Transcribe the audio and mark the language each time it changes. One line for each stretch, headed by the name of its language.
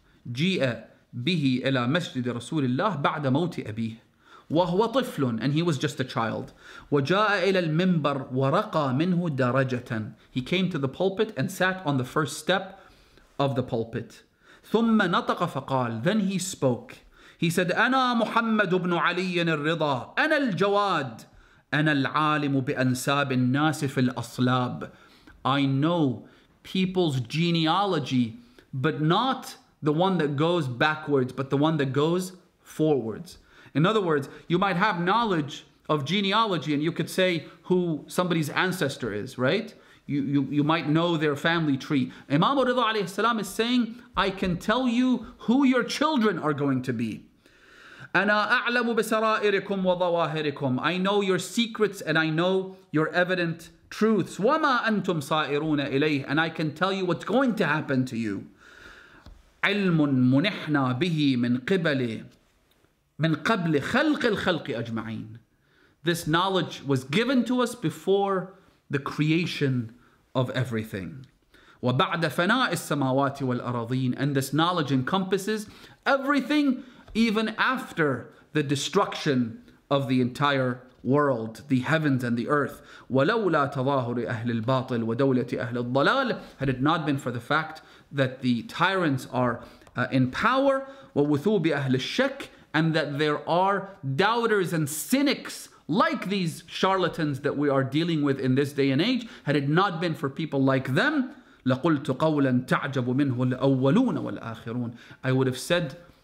Arabic: جِئَ بِهِ إِلَى مَسْجِدِ رَسُولِ اللَّهِ بَعْدَ مَوْتِ أَبِيهِ وَهُوَ طِفْلٌ.
English: And he was just a child.
Arabic: وَجَاءَ إِلَى الْمِنْبَرْ وَرَقَى مِنْهُ دَرَجَةً.
English: He came to the pulpit and sat on the first step of the pulpit.
Arabic: ثُمَّ نَطَقَ فَقَالَ.
English: Then he spoke. He said,
Arabic: أَنَا مُحَمَّدُ بْنُ عَلِيٍّ الرِّضَى. أَنَا الْجَوَادِ. أنا العالم بأنساب الناس في الأصلاب.
English: I know people's genealogy, but not the one that goes backwards, but the one that goes forwards. In other words, you might have knowledge of genealogy and you could say who somebody's ancestor is, right? You might know their family tree. Imam Rida alayhi salam is saying, I can tell you who your children are going to be.
Arabic: أنا أعلم بسرائركم وظواهركم.
English: I know your secrets and I know your evident truths.
Arabic: وما أنتم صائرون إليه.
English: And I can tell you what's going to happen to you.
Arabic: علم منحنا به من قبل خلق الخلق أجمعين.
English: This knowledge was given to us before the creation of everything.
Arabic: وبعد فناء السماوات والأراضين.
English: And this knowledge encompasses everything, even after the destruction of the entire world, the heavens and the earth.
Arabic: وَلَوْلَا تَظَاهُرِ أَهْلِ الْبَاطِلِ وَدَوْلَةِ أَهْلِ الضَّلَالِ
English: Had it not been for the fact that the tyrants are in power,
Arabic: وَوُثُوبِ أَهْلِ الشَّكِ
English: And that there are doubters and cynics like these charlatans that we are dealing with in this day and age, had it not been for people like them,
Arabic: لَقُلْتُ قَوْلًا تَعْجَبُ مِنْهُ الْأَوَّلُونَ وَالْآخِرُونَ
English: I would have said